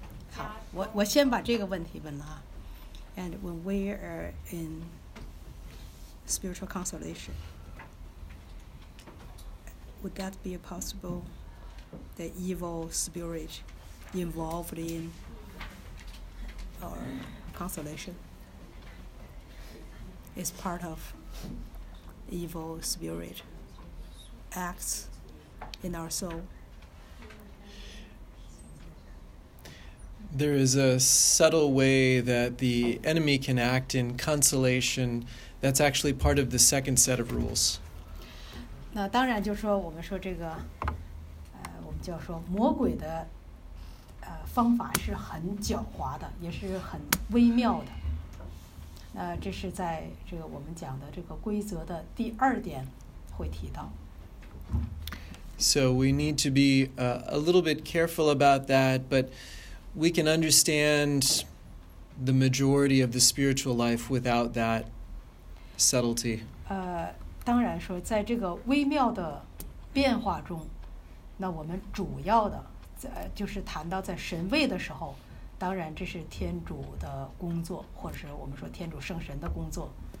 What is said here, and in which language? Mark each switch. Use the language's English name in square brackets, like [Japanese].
[Chinese] 好，我先把这个问题问了啊。 [English] And when we are in spiritual consolation, would that be possible? The evil spirit. Involved in our consolation is part of evil spirit acts in our soul. There is a subtle way that the enemy can act in consolation that's actually part of the second set of rules. [Chinese] 那当然就是说我们说这个我们叫说魔鬼的方法是很狡猾的，也是很微妙的。这是在这个我们讲的这个规则的第二点会提到。 [English] So we need to be a little bit careful about that, but we can understand the majority of the spiritual life without that subtlety. [Chinese] 当然说，在这个微妙的变化中，那我们主要的。就是谈到在神位的时候，当然这是天主的工作，或者是我们说天主圣神的工作。